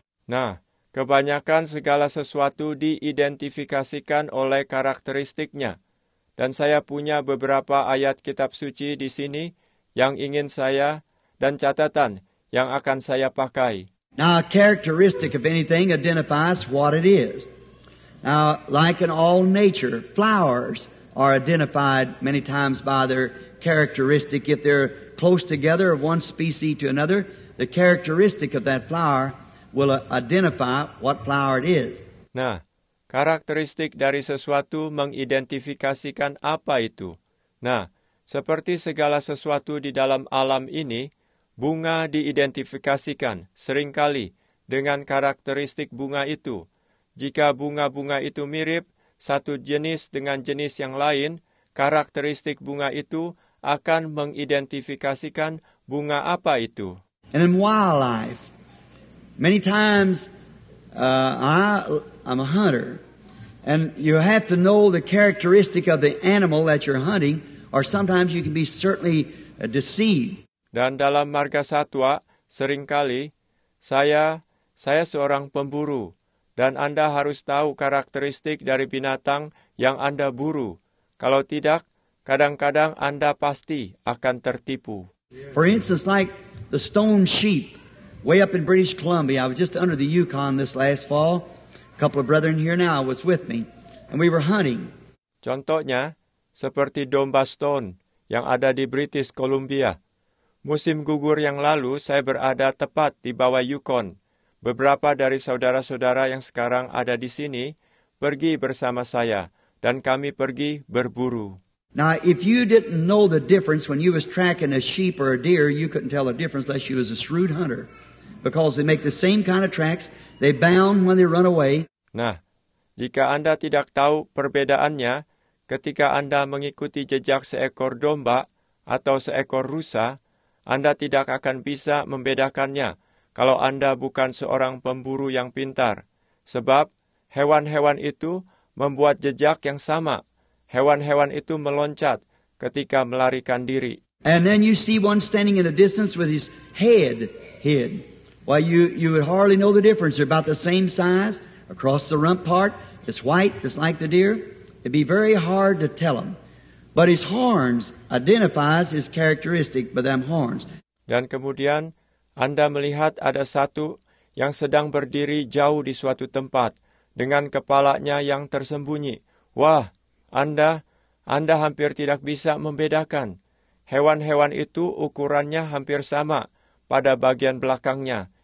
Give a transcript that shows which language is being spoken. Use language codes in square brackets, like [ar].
[id] Nah, kebanyakan segala sesuatu diidentifikasikan oleh karakteristiknya. Dan saya punya beberapa ayat kitab suci di sini yang ingin saya dan catatan yang akan saya pakai. [en] Now, a characteristic of anything identifies what it is. Now, like in all nature, flowers are identified many times by their characteristic. If they're close together of one species to another, the characteristic of that flower will identify what flower it is. [id] Nah, karakteristik dari sesuatu mengidentifikasikan apa itu. Nah, seperti segala sesuatu di dalam alam ini, bunga diidentifikasikan seringkali dengan karakteristik bunga itu. Jika bunga-bunga itu mirip satu jenis dengan jenis yang lain, karakteristik bunga itu akan mengidentifikasikan bunga apa itu. [en] And in wildlife, many times I'm a hunter, and you have to know the characteristic of the animal that you're hunting, or sometimes you can be certainly deceived. [id] Dan dalam marga satwa, seringkali saya seorang pemburu, dan Anda harus tahu karakteristik dari binatang yang Anda buru. Kalau tidak, kadang-kadang Anda pasti akan tertipu. [en] For instance, like the stone sheep, way up in British Columbia, I was just under the Yukon this last fall. A couple of brethren here now was with me, and we were hunting. [id] Contohnya, seperti domba stone yang ada di British Columbia. Musim gugur yang lalu, saya berada tepat di bawah Yukon. Beberapa dari saudara-saudara yang sekarang ada di sini pergi bersama saya, dan kami pergi berburu. [en] Now, if you didn't know the difference when you was tracking a sheep or a deer, you couldn't tell the difference unless you was a shrewd hunter, because they make the same kind of tracks. They bound when they run away. [id] Nah, jika Anda tidak tahu perbedaannya, ketika Anda mengikuti jejak seekor domba atau seekor rusa, Anda tidak akan bisa membedakannya kalau Anda bukan seorang pemburu yang pintar. Sebab hewan-hewan itu membuat jejak yang sama. Hewan-hewan itu meloncat ketika melarikan diri. [en] And then you see one standing in the distance with his head hid. Why, you would hardly know the difference. They're about the same size across the rump part. It's white, just like the deer. It'd be very hard to tell them. But his horns identifies his characteristic by them horns. [id] Dan kemudian, Anda melihat ada satu yang sedang berdiri jauh di suatu tempat dengan kepalanya yang tersembunyi. Wah, Anda hampir tidak bisa membedakan. Hewan-hewan itu ukurannya hampir sama pada bagian belakangnya.